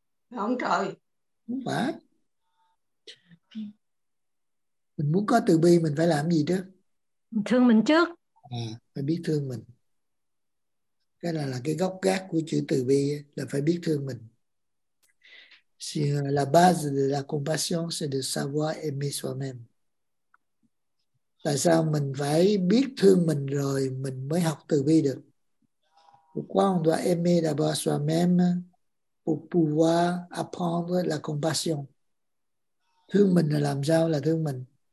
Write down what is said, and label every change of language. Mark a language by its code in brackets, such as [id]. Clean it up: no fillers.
[vi] Không trời. Không phải. Mình muốn có từ bi mình phải làm gì trước? Thương mình trước. À, phải biết thương mình. Cái này là cái gốc gác của chữ từ bi ấy, là phải biết thương mình. [fr] Si la base de la compassion c'est de savoir aimer soi-même. [vi] Tại sao mình phải biết thương mình rồi mình mới học từ bi được? [fr] Pourquoi on doit aimer d'abord soi-même pour pouvoir apprendre la compassion? [vi] Thương mình là làm sao là thương mình?